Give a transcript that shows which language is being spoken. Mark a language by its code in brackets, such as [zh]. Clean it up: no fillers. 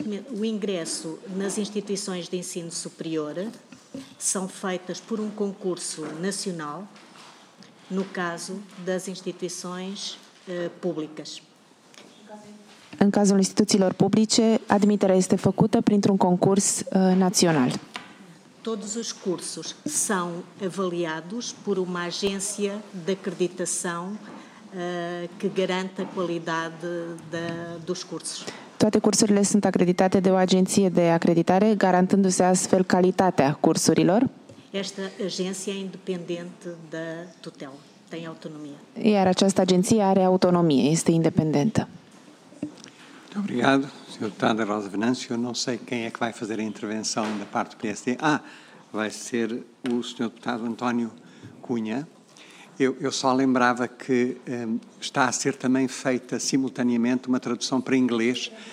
[pt] O ingresso nas instituições de ensino superior são feitas por um concurso nacional, no caso das instituições públicas. [ro] În cazul instituțiilor publice, admiterea este făcută printr-un concurs național. [pt] Todos os cursos são avaliados por uma agência de acreditação que garante a qualidade dos cursos. [ro] Toate cursurile sunt acreditate de o agenție de acreditare, garantându-se astfel calitatea cursurilor. [pt] Esta agência é independente da tutela, tem autonomia. [ro] Iar această agenție are autonomie, este independentă. [pt] Obrigado, Sr. Deputado Rosa Venâncio. Eu não sei quem é que vai fazer a intervenção da parte do PSD. Ah, vai ser o Sr. Deputado António Cunha. Eu só lembrava que está a ser também feita simultaneamente uma tradução para inglês.